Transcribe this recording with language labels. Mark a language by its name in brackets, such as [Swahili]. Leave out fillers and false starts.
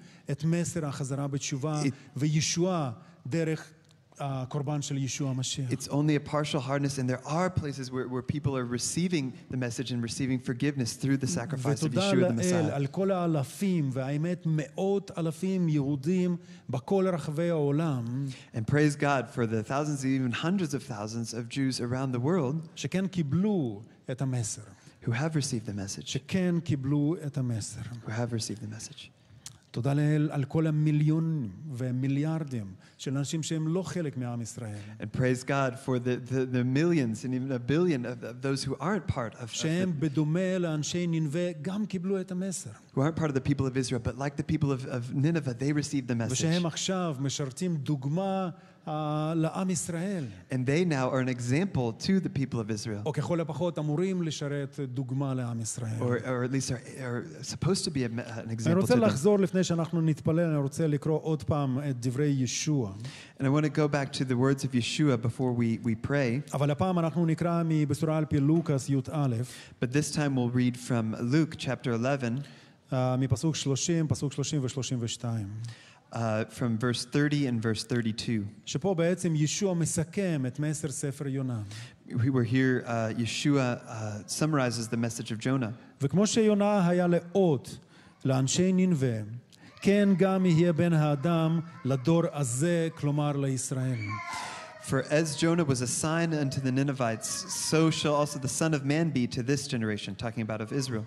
[Hebrew] את מסר החזרה בתשובה וישוע דרך הקורבן של ישוע המשיח. [English] It's only a partial hardness, and there are places where people are receiving the message and receiving forgiveness through the sacrifice of Yeshua the Messiah. [Hebrew] על כל האלפים והאמת מאות אלפים יהודים בכל רחבי העולם. [English] And praise God for the thousands, even hundreds of thousands of Jews around the world. [Hebrew] שכן קיבלו את המסר. [English] Who have received the message. [Hebrew] שכן קיבלו את המסר. [English] Who have received the message. [Hebrew] תודה לאל על כל המיליונים ומיליארדים של אנשים שהם לא חלק מעם ישראל. [English] And praise God for the millions and even a billion of those who aren't part of. [Hebrew] שהם בדומה לאנשי נינווה גם קיבלו את המסר. [English] Who aren't part of the people of Israel, but like the people of Nineveh, they received the message. [Hebrew] ושהם עכשיו משרתים דוגמה לעם ישראל. [English] And they now are an example to the people of Israel. [Hebrew] או ככל הפחות אמורים לשרת דוגמה לעם ישראל. [English] Or at least are supposed to be an example to them. [Hebrew] אני רוצה לחזור לפני שאנחנו נתפלל, אני רוצה לקרוא עוד פעם את דברי ישוע. [English] And I want to go back to the words of Yeshua before we pray. [Hebrew] אבל הפעם אנחנו נקרא מבשורה על פי לוקס י' א'. [English] But this time we'll read from Luke chapter 11. [Hebrew] מפסוק 30, פסוק 30 ו-32. [English] From verse 30 and verse 32. [Hebrew] שפה בעצם ישוע מסכם את מסר ספר יונה. [English] We were here, Yeshua summarizes the message of Jonah. [Hebrew] וכמו שיונה היה לאות לאנשי נינווה, כן גם יהיה בן האדם לדור הזה, כלומר לישראל. [English] For as Jonah was a sign unto the Ninevites, so shall also the Son of Man be to this generation, talking about of Israel.